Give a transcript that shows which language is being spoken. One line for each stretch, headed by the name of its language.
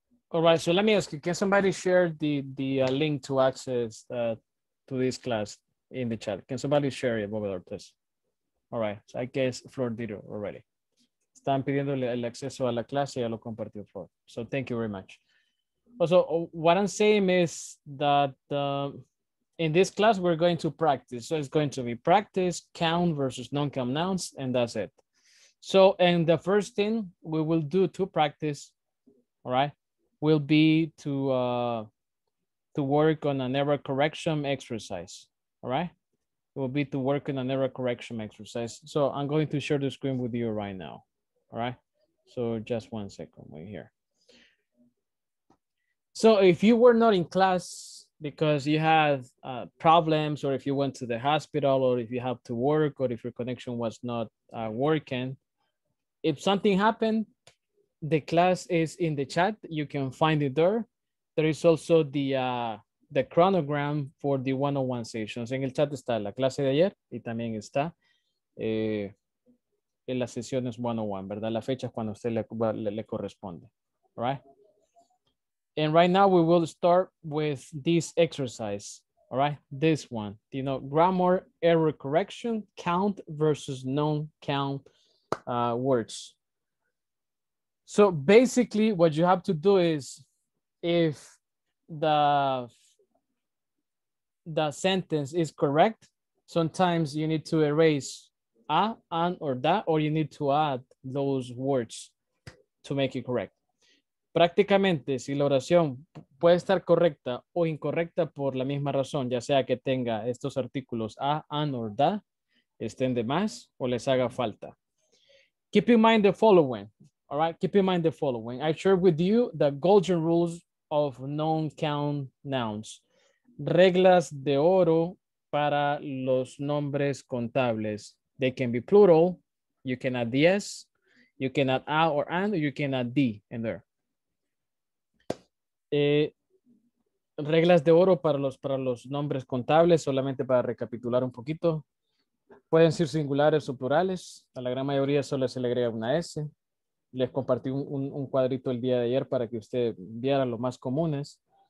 English: All right, so let me ask you, can somebody share the link to access to this class in the chat? Can somebody share it over there, please? All right, so I guess Flor did it already.
Spanish: Están pidiendo el acceso a la clase, ya lo compartió Flor.
English: So thank you very much. Also, what I'm saying is that in this class, we're going to practice. So it's going to be practice, count versus non-count nouns, and that's it. So, and the first thing we will do to practice, all right, will be to work on an error correction exercise, all right? It will be to work on an error correction exercise. So I'm going to share the screen with you right now, all right? So just one second, we're here. So if you were not in class, because you had problems, or if you went to the hospital, or if you have to work, or if your connection was not working. If something happened, the class is in the chat. You can find it there. There is also the chronogram for the 101 sessions.
Spanish: En el chat está la clase de ayer y también está en las sesiones 101, ¿verdad? La fecha es cuando usted le corresponde,
English: right? And right now we will start with this exercise, all right? This one, you know, grammar error correction, count versus non-count words. So basically what you have to do is if the sentence is correct, sometimes you need to erase a, an, or that, or you need to add those words to make it correct.
Spanish: Prácticamente, si la oración puede estar correcta o incorrecta por la misma razón, ya sea que tenga estos artículos a, an, or da, estén de más o les haga falta.
English: Keep in mind the following, all right? Keep in mind the following. I shared with you the golden rules of non-count nouns.
Spanish: Reglas de oro para los nombres contables.
English: They can be plural. You can add the S. You can add a or an, or you can add D in there.
Spanish: Reglas de oro para los nombres contables, solamente para recapitular un poquito. Pueden ser singulares o plurales. A la gran mayoría solo se le agrega una S. Les compartí un cuadrito el día de ayer para que usted viera los más comunes.